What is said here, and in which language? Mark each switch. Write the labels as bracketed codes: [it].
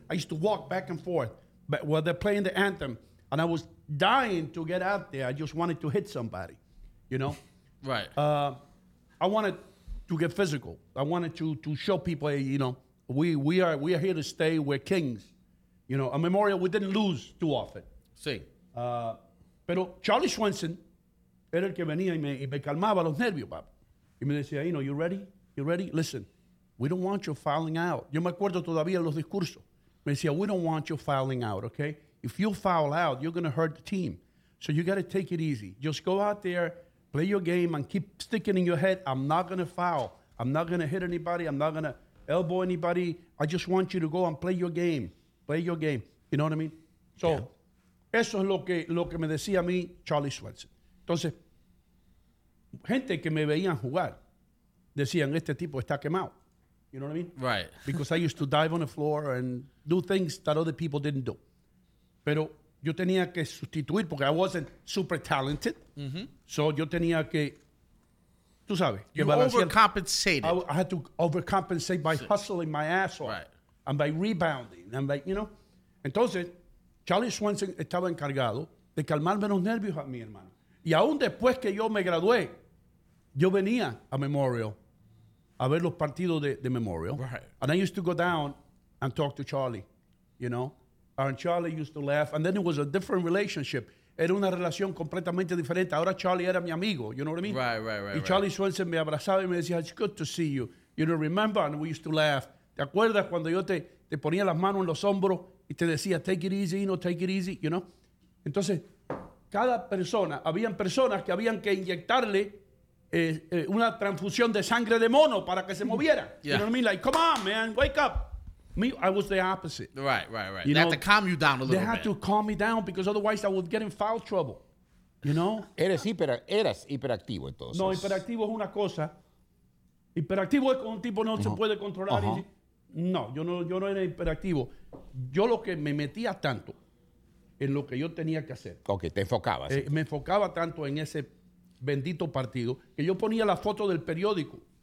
[en] I used to walk back and forth while they're playing the anthem. And I was dying to get out there. I just wanted to hit somebody, you know? Right. I wanted to get physical. I wanted to show people, you know, we are here to stay. We're kings. You know, a Memorial, we didn't lose too often. [es] Sí. Pero Charlie Swenson era el que venía y me calmaba los nervios, papá. Y me decía, [en] you know, you ready? You ready? Listen, we don't want you fouling out. [es] Yo me acuerdo todavía los discursos. Me decía, [en] we don't want you fouling out, okay? If you foul out, you're going to hurt the team. So you got to take it easy. Just go out there, play your game, and keep sticking in your head. I'm not going to foul. I'm not going to hit anybody. I'm not going to elbow anybody. I just want you to go and play your game. Play your game. You know what I mean? So, yeah. [es] Eso es lo que me decía a mí Charlie Swenson. Entonces, gente que me veían jugar, decían, este tipo está quemado. [en] You know what I mean? Right. Because I used to dive on the floor and do things that other people didn't do. [es] Pero yo tenía que sustituir porque [en] I wasn't super talented. [es] So yo tenía que, tú sabes. [en] You overcompensated. I had to overcompensate by hustling my ass off. Right. And by rebounding. And by, you know. [es] Entonces, Charlie Swenson estaba encargado de calmarme los nervios a mi hermano. Y aún después que yo me gradué, yo venía a Memorial a ver los partidos de Memorial. [en] Right. And I used to go down and talk to Charlie, you know. And Charlie used to laugh. And then it was a different relationship. [es] Era una relación completamente diferente. Ahora Charlie era mi amigo, [en] you know what I mean? Right. [es] Y Charlie Swenson me abrazaba y me decía, [en] it's good to see you. You know, remember? And we used to laugh. [es] ¿Te acuerdas cuando yo te ponía las manos en los hombros y te decía, [en] take it easy, no, take it easy, you know? [es] Entonces, cada persona, habían personas que habían que inyectarle una transfusión de sangre de mono para que se moviera. [en] Yeah. You know what I mean? Like, come on, man, wake up. Me, I was the opposite. Right. You they know? Had to calm you down a little they They had to calm me down because otherwise I would get in foul trouble. You know? [es] Eres eras hiperactivo entonces. No, hiperactivo es una cosa. Hiperactivo es cuando un tipo no se puede controlar. Y, no, yo no era hiperactivo. Yo lo que me metía tanto en lo que yo tenía que hacer. Ok, te enfocabas. Me enfocaba tanto en ese bendito partido que yo ponía la foto del periódico.